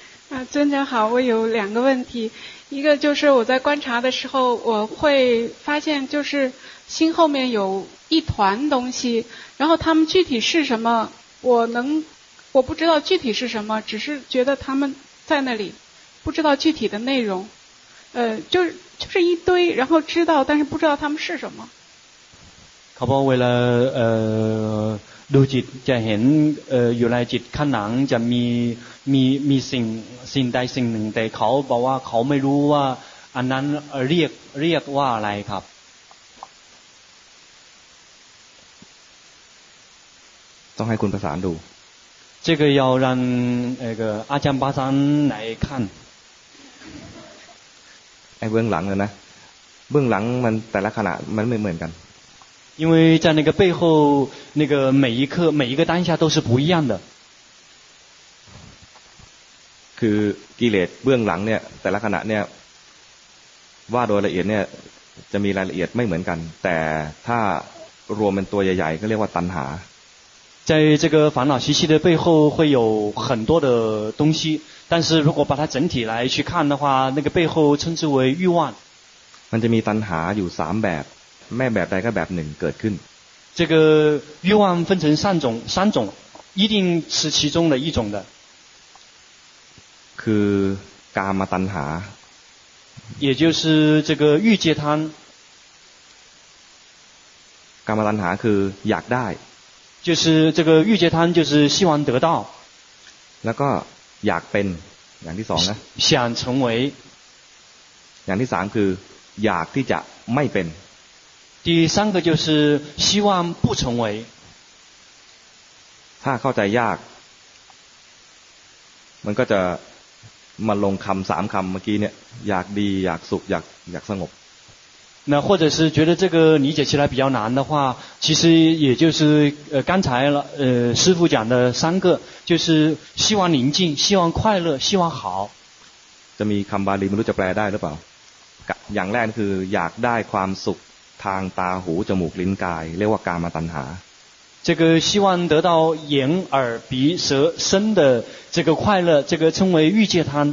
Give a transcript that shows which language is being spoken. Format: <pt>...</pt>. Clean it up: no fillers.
<zh>啊，尊者好，我有两个问题，一个就是我在观察的时候，我会发现就是心后面有一团东西，然后他们具体是什么，我不知道具体是什么，只是觉得他们在那里，不知道具体的内容，就是一堆，然后知道，但是不知道他们是什么。</zh> <th>ครับ</th> <zh>为了</zh> <th>ดูจิตจะเห็นอยู่ในจิตข้างหลังจะมีสิ่งใดสิ่งหนึ่งแต่เขาบอกว่าเขาไม่รู้ว่าอันนั้นเรียกว่าอะไรครับ ต้องให้คุณประสานดู</th> <zh>这个要让那个阿江巴山来看。</zh> <th>哎，เบื้องหลังเลยนะ，เบื้องหลังมันแต่ละขณะมันไม่เหมือนกัน。</th> <zh>因为在那个背后，那个每一刻、每一个当下都是不一样的。</zh> <th>คือกิเลสเบื้องหลังเนี่ยแต่ละขณะเนี่ยว่าโดยละเอียดเนี่ยจะมีรายละเอียดไม่เหมือนกันแต่ถ้ารวมเป็นตัวใหญ่ๆก็เรียกว่าตัณหา</th> <zh>在这个烦恼习气的背后会有很多的东西但是如果把它整体来去看的话那个背后称之为欲望</zh> <th>มันจะมีตัณหาอยู่3แบบแม่แบบใดก็แบบหนึ่งเกิดขึ้น</th> <zh>这个欲望分成三种一定是其中的一种的</zh> <th>คือกามตัณหา</th> <zh>也就是这个欲界贪</zh> <th>กามตัณหาคืออยากได้</th> <zh>就是这个欲界贪就是希望得到</zh> <th>แล้วก็อยากเป็นอย่างที่สองนะ</th> <zh>想成为</zh> <th>อย่างที่สามคืออยากที่จะไม่เป็น</th> <zh>第三个就是希望不成为</zh> <th>ถ้าเข้าใจยากมันก็จะมาลงคำสามคำเมื่อกี้เนี่ยอยากดีอยากสุขอยากสงบ</th> <zh>那或者是觉得这个理解起来比较难的话其实也就是刚才师父讲的三个就是希望宁静希望快乐希望好</zh> <th>จะมีคำบาลีไม่รู้จะแปลได้หรือเปล่าอย่างแรกคืออยากได้ความสุขทางตาหูจมูกลิ้นกายเรียกว่ากามตัณหา</th> <zh>这个希望得到眼耳鼻舌身的这个快乐这个称为欲界贪</zh>